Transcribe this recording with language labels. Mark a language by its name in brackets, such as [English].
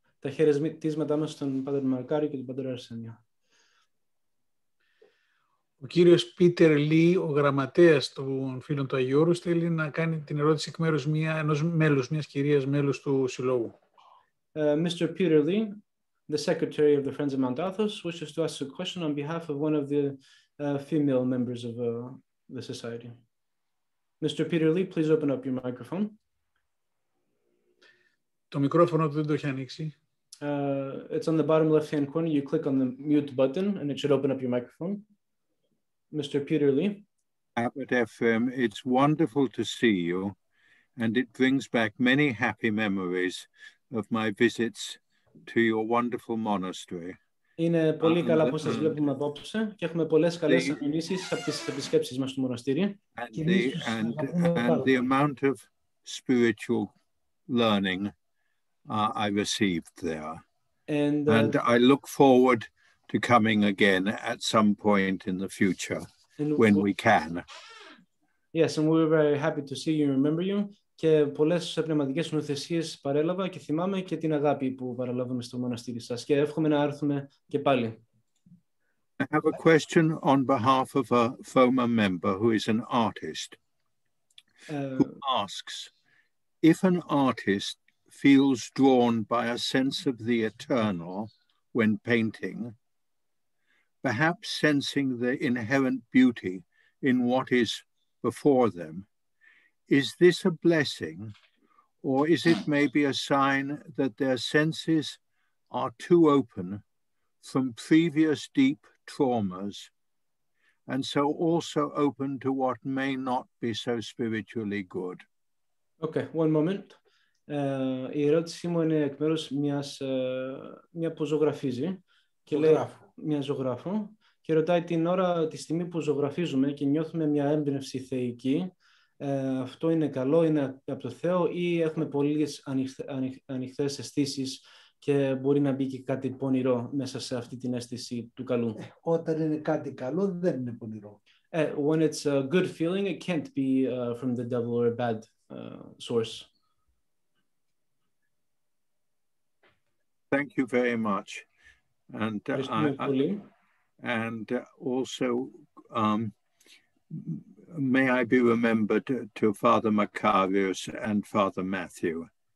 [Greek] Τα χαιρετίσματά μας στον Πατέρ Μακάριο και τον Πατέρ Αρσένιο. Ο κύριος Πίτερ Λί, ο γραμματέας των φίλων του Αγίου Όρους, θέλει να κάνει την ερώτηση εκ μέρους μιας κυρίας μέλους του Συλλόγου. [English] Mr. Peter Lee, the Secretary of the Friends of Mount Athos, wishes to ask a question on behalf of one of the female members of the Society. Mr. Peter Lee, please open up your microphone. [Greek] Το μικρόφωνο δεν το έχει ανοίξει. [English] It's on the bottom left-hand corner. You click on the mute button and it should open up your microphone. Mr. Peter Lee. Abbot FM, it's wonderful to see you and it brings back many happy memories of my visits to your wonderful monastery. [Greek] Είναι πολύ καλά που σας βλέπουμε απόψε και έχουμε πολλές καλές αναμνήσεις από τις επισκέψεις μας στο μοναστήρι. [English] And the amount of spiritual learning I received there. And I look forward to coming again at some point in the future when we can. Yes, and we're very happy to see you and remember you. [Greek] Και πολλές πνευματικές νοθεσίες παρέλαβα και θυμάμαι και την αγάπη που παραλάβαμε στο μοναστήρι σας. Και εύχομαι να έρθουμε και πάλι. [English] I have a question on behalf of a former member who is an artist who asks, if an artist feels drawn by a sense of the eternal when painting, perhaps sensing the inherent beauty in what is before them, is this a blessing Or is it maybe a sign that their senses are too open from previous deep traumas, and so also open to what may not be so spiritually good? Okay, one moment. [Greek] Η ερώτησή μου είναι εκ μέρους μιας, μια που ζωγραφίζει και λέει μια ζωγράφου και ρωτάει την ώρα, τη στιγμή που ζωγραφίζουμε και νιώθουμε μια έμπνευση θεϊκή, αυτό είναι καλό, είναι από το Θεό ή έχουμε πολλές ανοιχτές αισθήσεις και μπορεί να μπει και κάτι πονηρό μέσα σε αυτή την αίσθηση του καλού. Όταν είναι κάτι καλό δεν είναι πονηρό. [English] When it's a good feeling, it can't be from the devil or a bad source. Thank you very much. And also, may I be remembered to Father Macarius and Father Matthew.